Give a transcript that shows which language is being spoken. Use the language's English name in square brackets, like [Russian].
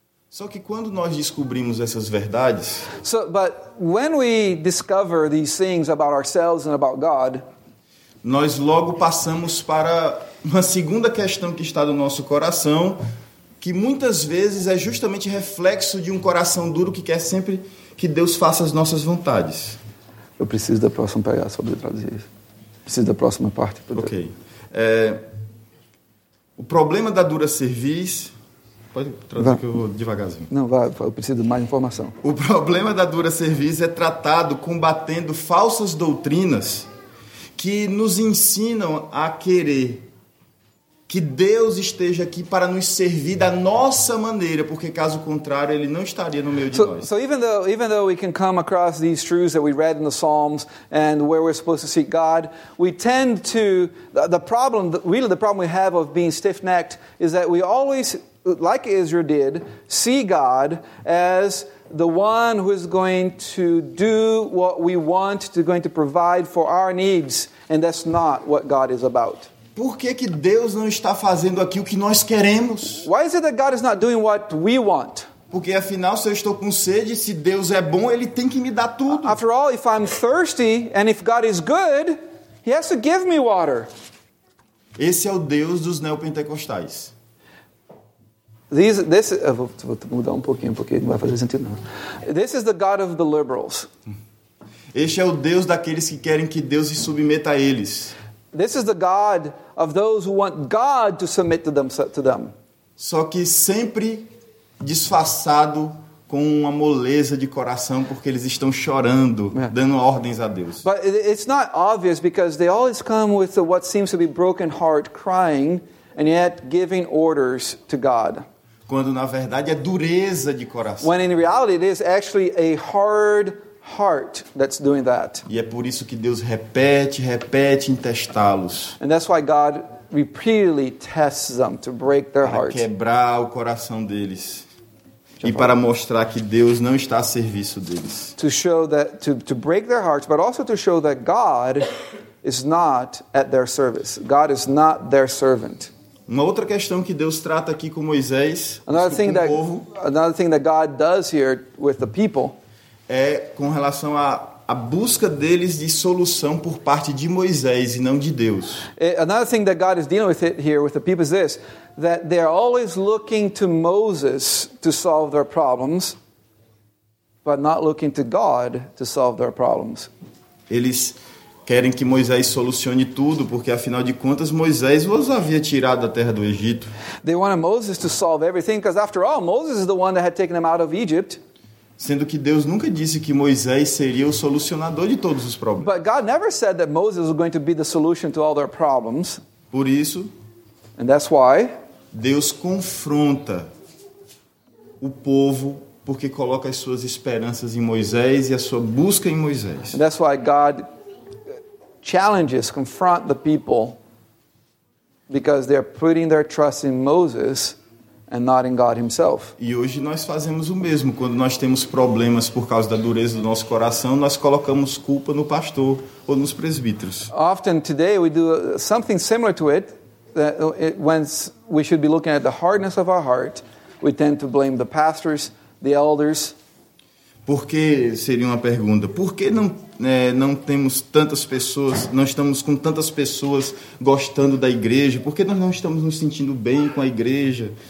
[Portuguese] Só que quando nós descobrimos essas verdades, [English] but when we discover these things about ourselves and about God, [Portuguese] nós logo passamos para uma segunda questão que está no nosso coração, que muitas vezes é justamente reflexo de um coração duro que quer sempre que Deus faça as nossas vontades. Eu preciso da próxima pegada sobre traduzir isso. Preciso da próxima parte. Ok. O problema da dura cerviz... Pode traduzir que eu vou devagarzinho. Não, eu preciso de mais informação. O problema da dura cerviz é tratado combatendo falsas doutrinas que nos ensinam a querer que Deus esteja aqui para nos servir da nossa maneira, porque caso contrário, ele não estaria no meio de nós. [English] So even though we can come across these truths that we read in the Psalms and where we're supposed to seek God, we tend to the problem we have of being stiff-necked is that we always, like Israel did, see God as the one who is going to do what we want, to going to provide for our needs, and that's not what God is about. [Portuguese] Por que que Deus não está fazendo aqui o que nós queremos? [English] Why is it that God is not doing what we want? [Portuguese] Porque afinal, se eu estou com sede, se Deus é bom, ele tem que me dar tudo. [English] After all, if I'm thirsty and if God is good, he has to give me water. [Portuguese] Esse é o Deus dos neopentecostais. Vou mudar um pouquinho porque não vai fazer sentido não. [English] This is the God of the liberals. [Portuguese] Este é o Deus daqueles que querem que Deus se submeta a eles. [English] This is the God of those who want God to submit to them. [Portuguese] Só que sempre disfarçado com uma moleza de coração porque eles estão chorando, yeah, dando ordens a Deus. [English] But it's not obvious because they always come with what seems to be broken heart crying and yet giving orders to God. [Portuguese] Quando na verdade é dureza de coração. [English] When in reality it is actually a hard heart that's doing that. [Portuguese] E é por isso que Deus repete em testá-los. [English] And that's why God repeatedly tests them to break their hearts. [Portuguese] Para quebrar o coração deles. E para mostrar que Deus não está a serviço deles. [English] To show that to break their hearts, but also to show that God is not at their service. God is not their servant. [Portuguese] Uma outra questão que Deus trata aqui com Moisés, [English] another thing that God does here with the people, [Portuguese] é com relação à busca deles de solução por parte de Moisés e não de Deus. [English] Another thing that God is dealing with here with the people is this, that they are always looking to Moses to solve their problems, but not looking to God to solve their problems. [Portuguese] Eles querem que Moisés solucione tudo, porque afinal de contas Moisés os havia tirado da terra do Egito. [English] They wanted Moses to solve everything, because after all, Moses is the one that had taken them out of Egypt. [Portuguese] Sendo que Deus nunca disse que Moisés seria o solucionador de todos os problemas. [English] But God never said that Moses was going to be the solution to all their problems. [Portuguese] Por isso, [English] and that's why [Portuguese] Deus confronta o povo porque coloca as suas esperanças em Moisés e a sua busca em Moisés. [English] And that's why God challenges, confront the people because they're putting their trust in Moses and not in God himself. [Portuguese] E hoje nós fazemos o mesmo. Quando nós temos problemas por causa da dureza do nosso coração, nós colocamos culpa no pastor ou nos presbíteros. [English] Often today we do something similar to it, that once we should be looking at the hardness of our heart, we tend to blame the pastors, the elders. [Portuguese] Porque seria uma pergunta, por que não, não temos tantas pessoas, não estamos com tantas pessoas gostando da igreja? Por que nós não estamos nos sentindo bem com a igreja?